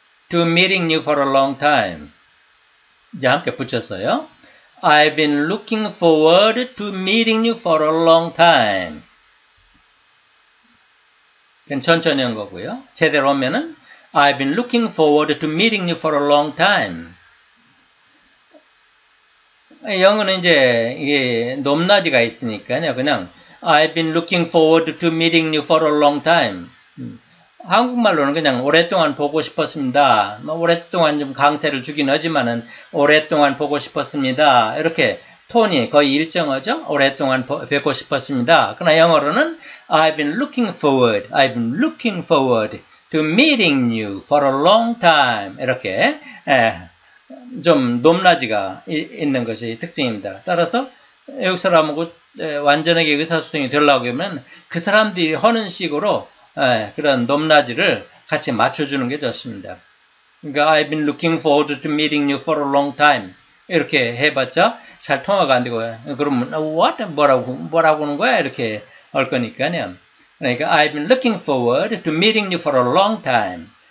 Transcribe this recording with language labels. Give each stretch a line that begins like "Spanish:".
English: To meeting you for a long time.
Korean: 이제 함께 붙였어요.
English: I've been looking forward to meeting you for a long time.
Korean: 그냥 천천히 한 거고요. 제대로 하면은
English: I've been looking forward to meeting you for a long time.
Korean: 영어는 이제 이게 높낮이가 있으니까요. 그냥
English: I've been looking forward to meeting you for a long time.
Korean: 한국말로는 그냥 오랫동안 보고 싶었습니다. 뭐 오랫동안 좀 강세를 주긴 하지만은 오랫동안 보고 싶었습니다. 이렇게 톤이 거의 일정하죠. 오랫동안 뵙고 싶었습니다. 그러나 영어로는
English: I've been looking forward to meeting you for a long time.
Korean: 이렇게 좀 높낮이가 있는 것이 특징입니다. 따라서 외국 사람하고 완전하게 의사소통이 되려고 하면 그 사람들이 하는 식으로 그런 높낮이를 같이 맞춰주는 게 좋습니다. 그러니까
English: I've been looking forward to meeting you for a long time.
Korean: 이렇게 해봤자 잘 통화가 안 되고 그러면
English: what?
Korean: 뭐라고 하는 거야? 이렇게 할 거니까요. 그러니까
English: I've been looking forward to meeting you for a long time.